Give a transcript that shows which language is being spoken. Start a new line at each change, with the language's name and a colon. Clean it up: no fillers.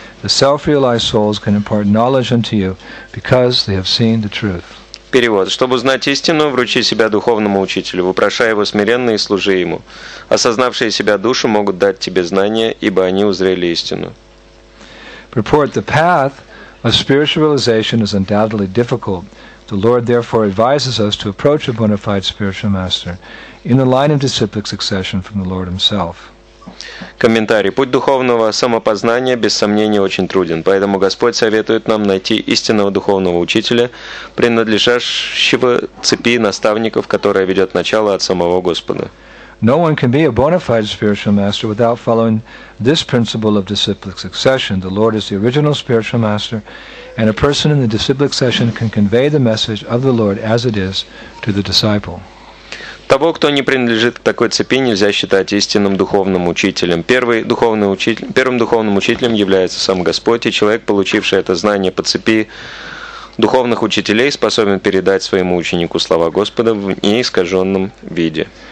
English: The self-realized souls can impart knowledge unto you because they have seen the truth.
Russian: Перевод: чтобы знать истину, вручи себя духовному учителю, вопрошай его смиренно и служи ему. Осознавшие себя души могут дать тебе знания, ибо они узрели истину.
English: Purport: the path of spiritual realization is undoubtedly difficult. The Lord therefore advises us to approach a bona fide spiritual master in the line of disciplic succession from the Lord himself.
Russian: Комментарий. Путь духовного самопознания, без сомнения, очень труден. Поэтому Господь советует нам найти истинного духовного учителя, принадлежащего цепи наставников, которая ведет начало от самого Господа.
English: No one can be a bona fide spiritual master without following this principle of disciplic succession. The Lord is the original spiritual master, and a person in the disciplic succession can convey the message of the Lord as it is to the disciple.
Russian: Того, кто не принадлежит к такой цепи, нельзя считать истинным духовным учителем. Первым духовным учителем является сам Господь, и человек, получивший это знание по цепи духовных учителей, способен передать своему ученику слова Господа в неискаженном виде.